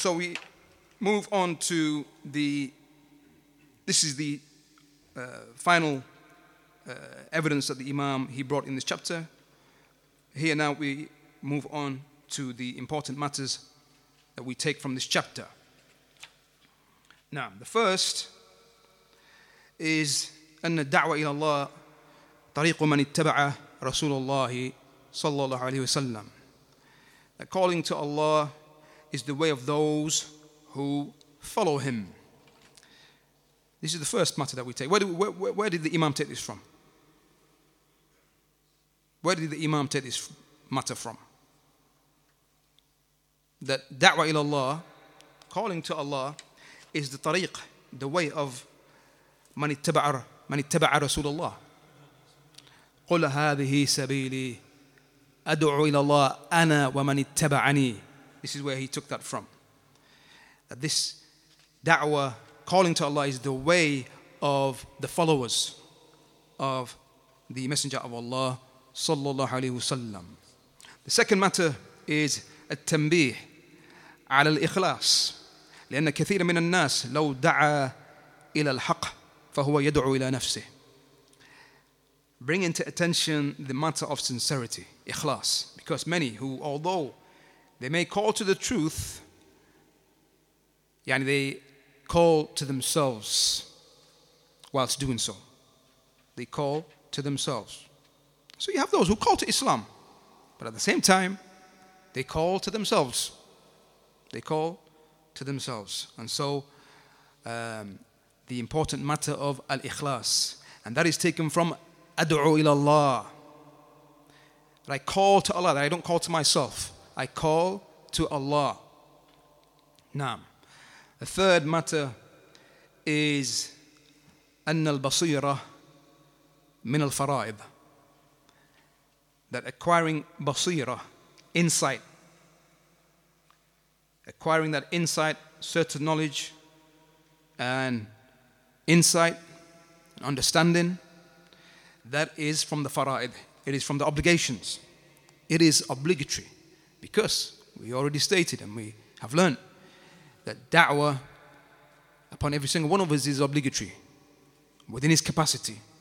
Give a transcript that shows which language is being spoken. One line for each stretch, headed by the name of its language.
English: So we move on to this is the final evidence that the Imam he brought in this chapter. Here now we move on to the important matters that we take from this chapter. Now, the first is
Arabic: أن الدعوة إلى الله طريق من اتبع رسول الله صلى الله عليه وسلم.
English: That calling to Allah is the way of those who follow Him. This is the first matter that we take. Where did the Imam take this from? Where did the Imam take this matter from? That da'wah ila Allah, calling to Allah, is the tariq, the way of man ittaba'a Rasulullah.
Arabic: قُلْ هَذِهِ سَبِيلِي أَدُعُ إِلَى اللَّهِ أَنَا وَمَنْ اتَّبَعَنِي.
English: This is where he took that from. That this da'wah, calling to Allah, is the way of the followers of the Messenger of Allah
Arabic: صلى الله عليه وسلم.
English: The second matter is
Arabic: التنبيه على الإخلاص لأن كثير من الناس لو دعا إلى الحق فهو يدعو إلى نفسه.
English: Bringing to attention the matter of sincerity, ikhlas. Because many who, although they may call to the truth, yani they call to themselves whilst doing so. They call to themselves. So you have those who call to Islam, but at the same time, they call to themselves. They call to themselves. And so, the important matter of al-ikhlas, and that is taken from
Arabic: أدعو إلى الله.
English: That I call to Allah, that I don't call to myself. I call to Allah. Naam. The third matter is
Arabic: أن البصيرة من الفرائض.
English: That acquiring basira, insight, acquiring that insight, certain knowledge and insight, and understanding, that is from the fara'id. It is from the obligations. It is obligatory. Because we already stated and we have learned that da'wah upon every single one of us is obligatory within his capacity.